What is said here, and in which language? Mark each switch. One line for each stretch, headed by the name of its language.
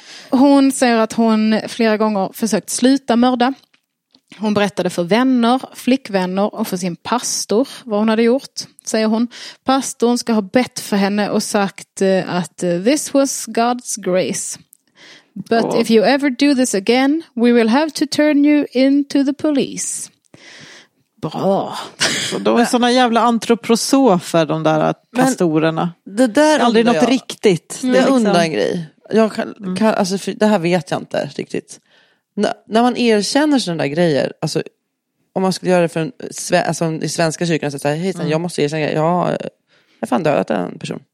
Swedish: Hon säger att hon flera gånger försökt sluta mörda. Hon berättade för vänner, flickvänner och för sin pastor vad hon hade gjort, säger hon. Pastorn ska ha bett för henne och sagt att
English: this was God's grace. But if you ever do this again, we will have to turn you into the police.
Swedish: Bra. De är såna jävla antroposofer, de där pastorerna. Men det där aldrig något jag. Riktigt. Det är undan en grej. Jag kan, alltså, det här vet jag inte riktigt. När man erkänner sådana där grejer, alltså, om man skulle göra det för en, alltså, i svenska kyrkan, så säger hej, jag måste erkänna, jag fan dödat en person.